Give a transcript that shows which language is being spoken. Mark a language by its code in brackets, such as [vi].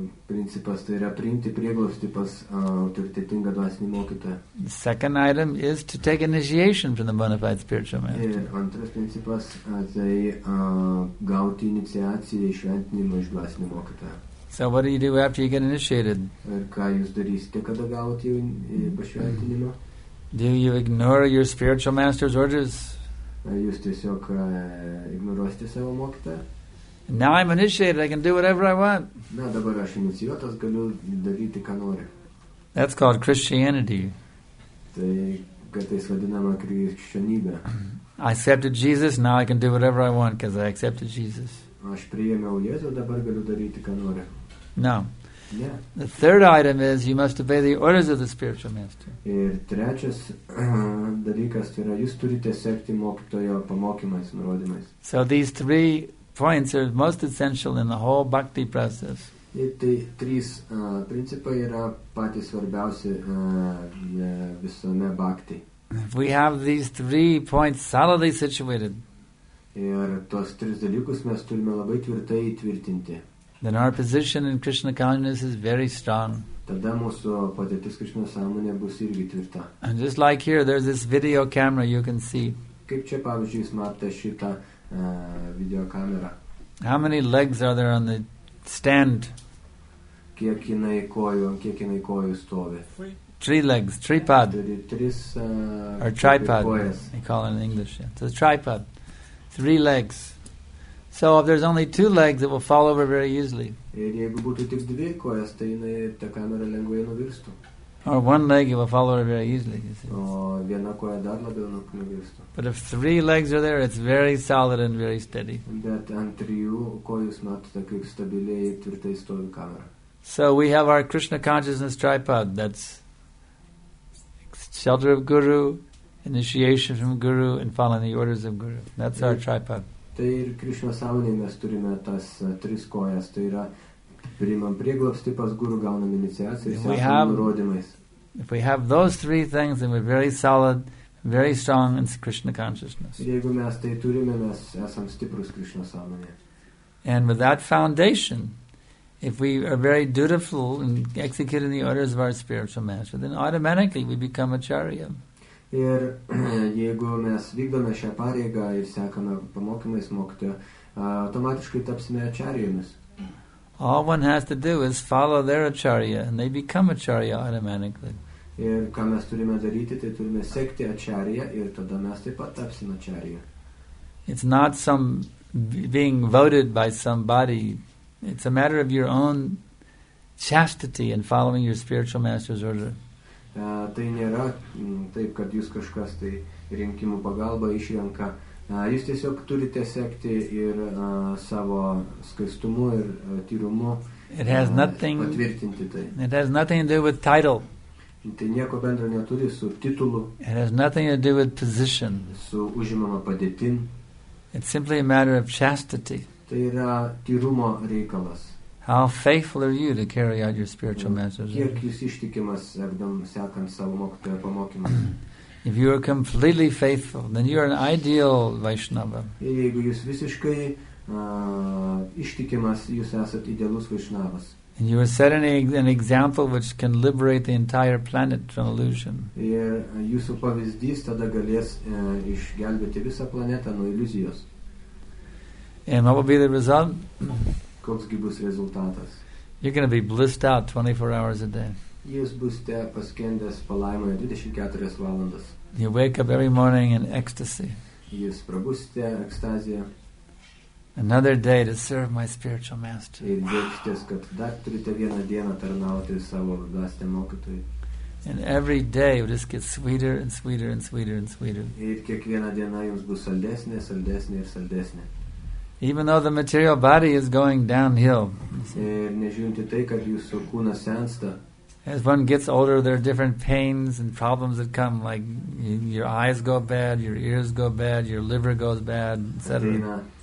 [lt] Principas tai yra priimti prieglobstį pas autoritetingą dvasinį mokytoją. [en] The second item is to take initiation from the bona fide spiritual master. [lt] Ir antras principas tai gauti iniciaciją iš šventinimo iš dvasinį mokytoją. [en] So what do you do after you get initiated? [lt] Ir ką jūs darysite, kada gauti pašventinimą? [en] Do you ignore your spiritual master's orders? [lt] Jūs tiesiog ignoruosite savo mokytoją? [en] Now I'm initiated, I can do whatever I want. [lt] Na, dabar aš inicijuotas, galiu daryti, ką noriu. [en] That's called Christianity. [lt] Tai, kad tai vadinama krikščionybė. [en] I accepted Jesus, now I can do whatever I want, because I accepted Jesus. [lt] Aš priėmiau Jėzų, dabar galiu daryti, ką noriu. [en] No. Yeah. The third item is you must obey the orders of the spiritual master. [lt] Ir trečias dalykas yra, jūs turite sekti mokytojo pamokymais, nurodymais. [en] So these three points are most essential in the whole bhakti process. [lt] Tai trys principai yra patys svarbiausi visame bhakti. [en] If we have these three points solidly situated, [lt] ir tos tris dalykus mes turime labai tvirtai įtvirtinti, [en] then our position in Krishna consciousness is very strong. [lt] Tada mūsų padėtis Krishna sąmonė bus irgi tvirta. [en] And just like here, there's this video camera you can see. [lt] Kaip čia, pavyzdžiui, jūs matote šitą video kamerą. [en] How many legs are there on the stand? [lt] Kiek jinai kojų, stovi? [en] Three legs, tripod. Or tripod, they call it in English. It's a tripod. Three legs. So if there's only two legs, it will fall over very easily. [lt] Ir jeigu būtų tik dvi kojas, tai ta kamera lengvai nuvirstų. [en] Or one leg, it will fall over very easily. [lt] O viena koja dar labiau nuvirstų. [en] But if three legs are there, it's very solid and very steady. [lt] Bet ant trijų kojų matote, kaip stabiliai ir tvirtai stovi kamera. [en] So we have our Krishna consciousness tripod. That's shelter of Guru, initiation from Guru, and following the orders of Guru. That's our tripod. [lt] Tai ir Krishna sąmonėje mes turime tas tris kojas. Tai yra, priimam prieglobstį pas guru, gaunam iniciaciją ir sekam nurodymais. [en] If we have those three things, then we're very solid, very strong in Krishna consciousness. [lt] Ir jeigu mes tai turime, mes esam stiprus Krishna sąmonėje. [en] And with that foundation, if we are very dutiful in executing the orders of our spiritual master, then automatically we become acharya. [lt] Ir jeigu mes vykdome šią pareigą ir sekame pamokymais mokyti, automatiškai tapsime acharyjomis. [en] All one has to do is follow their acharya, and they become acharya automatically. [lt] Ir ką mes turime daryti, tai turime sekti acharya, ir tada mes taip pat tapsime acharya. [en] It's not some being voted by somebody. It's a matter of your own chastity and following your spiritual master's order. [lt] Tai nėra taip, kad jūs kažkas tai rinkimų pagalba išrenka. Jūs tiesiog turite sekti ir savo skaistumu ir tyrumu patvirtinti tai. [en] It has nothing to do with title. [lt] Tai nieko bendro neturi su titulu. [en] It has nothing to do with position. [lt] Su užimama padėtim. [en] It's simply a matter of chastity. [lt] Tai yra tyrumo reikalas. [en] How faithful are you to carry out your spiritual message? [lt] Kiek jūs ištikimas, egdom, sekant savo mokytojo pamokymą? [en] If you are completely faithful, then you are an ideal Vaishnava. [lt] Jeigu jūs visiškai ištikimas, jūs esat idealus Vaishnavas. [en] And you are set an example which can liberate the entire planet from illusion. [lt] Ir jūsų pavyzdys tada galės išgelbėti visą planetą nuo iliuzijos. [en] And what will be the result? [lt] Koks gi bus rezultatas? [en] You're going to be blissed out 24 hours a day. [lt] Jūs būsite paskendęs palaimoje 24 valandas. [en] You wake up every morning in ecstasy. [lt] Jūs prabūsite ekstazija. [en] Another day to serve my spiritual master. [lt] Ir džiaugsitės, kad dar turite vieną dieną tarnauti savo dvasiniam mokytojui. [en] And every day it just gets sweeter and sweeter and sweeter and sweeter. [lt] Ir kiekviena diena jums bus saldesnė, saldesnė ir saldesnė. [en] Even though the material body is going downhill. [lt] Ir nežiūrinti tai, kad jūsų kūnas sensta. [en] As one gets older, there are different pains and problems that come, like your eyes go bad, your ears go bad, your liver goes bad, etc.